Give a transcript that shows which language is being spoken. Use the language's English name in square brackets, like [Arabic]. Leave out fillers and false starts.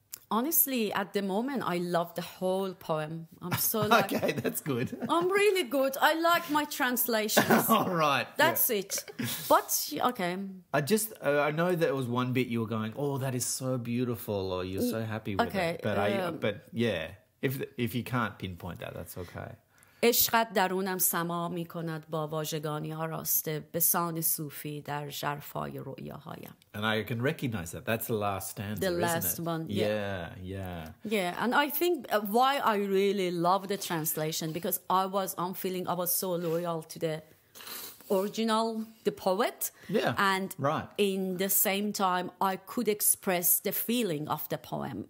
[English] Honestly, at the moment, I love the whole poem. I'm so like... okay, that's good. I'm really good. I like my translations. All right. That's it. But, okay. I know there was one bit you were going, oh, that is so beautiful, or you're so happy with it. But, yeah. If you can't pinpoint that, that's okay. [Persian] عشقت درونم سما می کند با واژگانی ها راسته به سان صوفی در ژرفای رؤیاهایم. [English] And I can recognize that. That's the last stanza, the isn't last it? The last one, yeah. And I think why I really love the translation, because I was so loyal to the original, the poet. Yeah, and right. In the same time, I could express the feeling of the poem.